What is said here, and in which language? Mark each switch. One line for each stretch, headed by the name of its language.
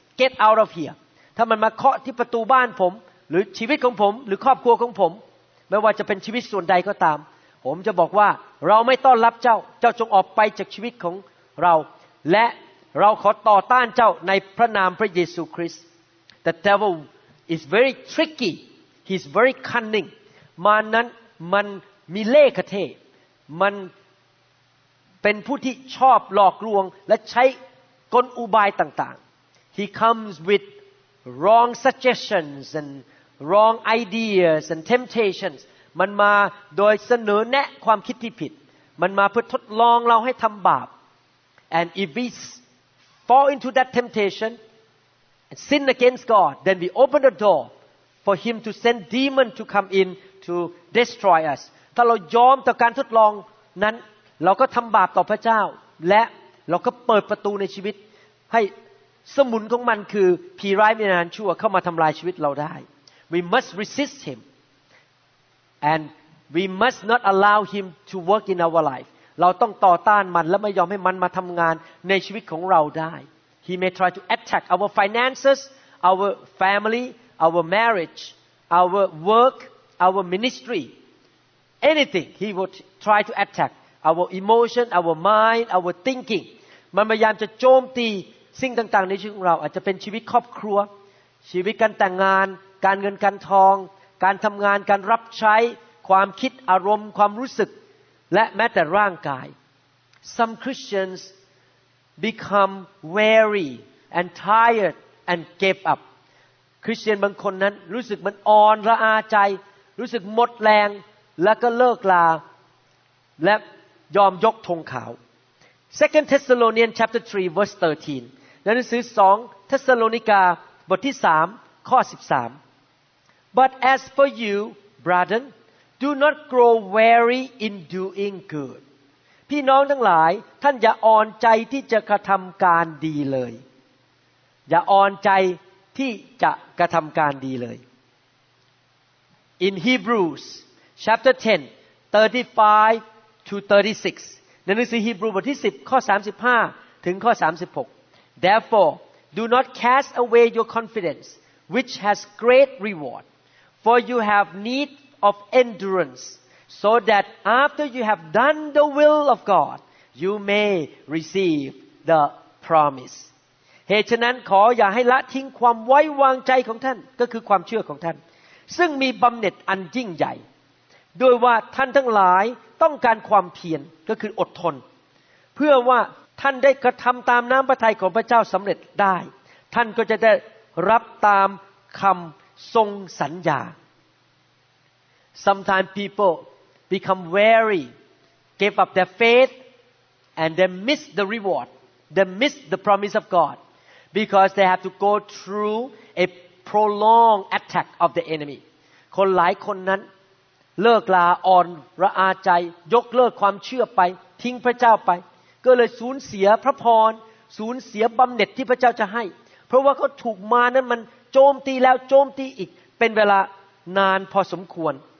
English: Get out of here.
Thai: ถ้ามันมาเคาะที่ประตูบ้านผมหรือชีวิตของผมหรือครอบครัวของผมไม่ว่าจะเป็นชีวิตส่วนใดก็ตามผมจะบอกว่าเราไม่ต้อนรับเจ้าเจ้าจงออกไปจากชีวิตของเราและเราขอต่อต้านเจ้าในพระนามพระเยซูคริสต์
English: The devil is very tricky he's very cunning
Thai: มารนั้นมันมีเล่ห์กลเทมันเป็นผู้ที่ชอบหลอกลวงและใช้กลอุบายต่าง
English: ๆ he comes withWrong suggestions and wrong ideas and temptations.
Thai: มันมาโดยเสนอแนะความคิดที่ผิดมันมาเพื่อทดลองเราให้ทำบาป
English: And if we fall into that temptation and sin against God, then we open the door for Him to send demon to come in to destroy us.
Thai: ถ้าเรายอมต่อการทดลองนั้นเราก็ทำบาปต่อพระเจ้าและเราก็เปิดประตูในชีวิตให้สมุนของมันคือผีร้ายวิญญาณชั่วเข้ามาทำลายชีวิตเราได้
English: We must resist him and we must not allow him to work in our life
Thai: เราต้องต่อต้านมันและไม่ยอมให้มันมาทำงานในชีวิตของเราได้
English: He may try to attack our finances, our family, our marriage, our work, our ministry, anything he would try to attack our emotion, our mind, our thinking.
Thai: มันพยายามจะโจมตีสิ่งต่างๆในชีวิตของเราอาจจะเป็นชีวิตครอบครัวชีวิตการแต่งงานการเงินการทองการทำงานการรับใช้ความคิดอารมณ์ความรู้สึกและแม้แต่ร่างกาย
English: Some Christians become weary and tired and give up
Thai: คริสเตียนบางคนนั้นรู้สึกมันอ่อนระอาใจรู้สึกหมดแรงแล้วก็เลิกลาและยอมยกธงขาว
English: 2 Thessalonians chapter 3 verse 13
Thai: หนังสือ2 Thessalonica บทที่3ข้อ13
English: But as for you brethren do not grow weary in doing good
Thai: พี่น้องทั้งหลายท่านอย่าอ่อนใจที่จะกระทำการดีเลยอย่าอ่อนใจที่จะกระทำการดีเลย
English: In Hebrews chapter 10 35 to 36
Thai: ในหนังสือฮีบรูบทที่10ข้อ35ถึงข้อ36
English: Therefore do not cast away your confidence which has great reward for you have need of endurance so that after you have done the will of God you may receive the promise
Thai: เหตุฉะนั้นขออย่าให้ละทิ้งความไว้วางใจของท่านก็คือความเชื่อของท่านซึ่งมีบำเหน็จอันยิ่งใหญ่ด้วยว่าท่านทั้งหลายต้องการความเพียรก็คืออดทนเพื่อว่าท่านได้กระทำตามน้ำพระทัยของพระเจ้าสำเร็จได้ท่านก็จะได้รับตามคำทรงสัญญา
English: Sometimes people become weary, give up their faith, and they miss the reward, they miss the promise of God because they have to go through a prolonged attack of the enemy.
Thai: คนหลายคนนั้นเลิกลาอ่อนระอาใจยกเลิกความเชื่อไปทิ้งพระเจ้าไปก็เลยสูญเสียพระพรสูญเสียบำเหน็จที่พระเจ้าจะให้เพราะว่าเขาถูกมารนั้นมันโจมตีแล้วโจมตีอีกเป็นเวลานานพอสมควร